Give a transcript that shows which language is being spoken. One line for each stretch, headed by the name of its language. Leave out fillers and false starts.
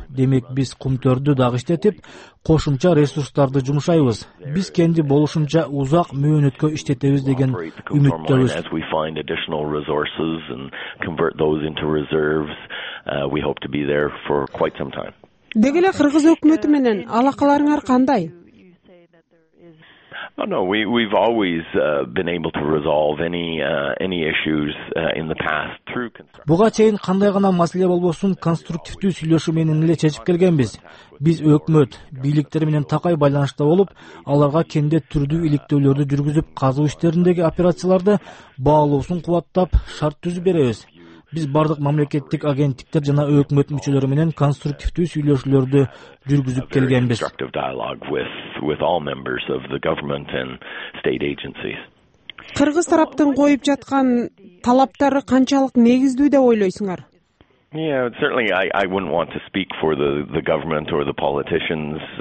Kyrgyz: Демек биз кумтөрдү дагы иштетип, кошумча ресурстарды жумшайбыз. Биз кенди болушунча узак мөөнөткө иштетебиз деген үмүттөбүз. Деги эле кыргыз өкмөтү менен алакаларыңар кандай?
English: No, we've always been able to resolve any issues in the past through construction.
Kyrgyz: Буга чейин кандай гана маселе болбосун, конструктивдүү сүйлөшүү менен эле чечип келгенбиз. Биз өкмөт, бийликтер менен такай байланышта болуп, аларга кенде түрдүү иликтөөлөрдү жүргүзүп, казуу иштериндеги операцияларды баалоосун кубаттап, шарт түзүп беребиз. Биз бардык мамлекеттик агенттиктер жана өкмөт мүчөлөрү менен конструктивдүү сүйлөшүүлөрдү жүргүзүп келгенбиз.
English: With all members of the government and state agencies.
Kyrgyz: Кыргыз тараптын коюп жаткан талаптары канчалык негиздүү деп ойлойсуңар?
English: Yeah, certainly I wouldn't want to speak for the government or the politicians,